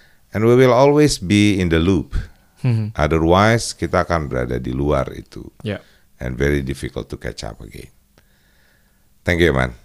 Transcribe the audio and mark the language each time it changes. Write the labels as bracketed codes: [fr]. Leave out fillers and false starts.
[en] And we will always be in the loop. Otherwise, [id] kita akan berada di luar itu. [en] Yeah. And very difficult to catch up again. Thank you, man.